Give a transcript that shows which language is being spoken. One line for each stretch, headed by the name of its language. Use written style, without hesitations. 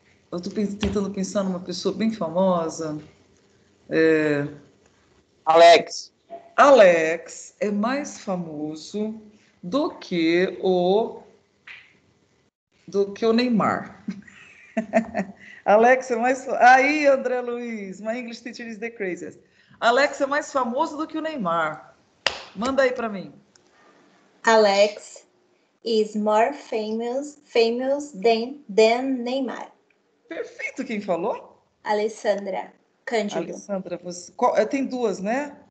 Portuguese: Eu estou tentando pensar numa pessoa bem famosa. É... Alex. Alex é mais famoso do que o Neymar. Alex é mais...
English: Aí, André Luiz, my English teacher is the craziest.
Portuguese: Alex é mais famoso do que o Neymar. Manda aí para mim.
English: Alex is more famous than Neymar.
Portuguese: Perfeito, quem falou? Alessandra Cândido. Alessandra, você... Qual... Tem duas, né?